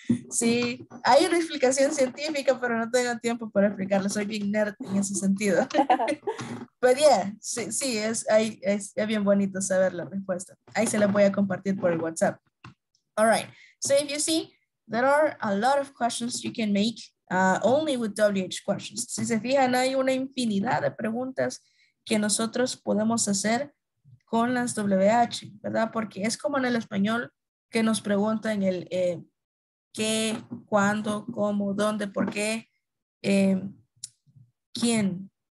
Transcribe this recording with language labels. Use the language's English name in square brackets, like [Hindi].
[Spanish] Sí, hay una explicación científica, pero no tengo tiempo para explicarla. Soy bien nerd en ese sentido. Pero yeah, sí, sí, es bien bonito saber la respuesta. Ahí se la voy a compartir por el WhatsApp. [English] All right. So if you see, there are a lot of questions you can make only with WH questions. [Spanish] Si se fijan, hay una infinidad de preguntas que nosotros podemos hacer con las WH, ¿verdad? Porque es como en el español que nos preguntan el qué, cuándo, cómo, dónde, por qué, quién.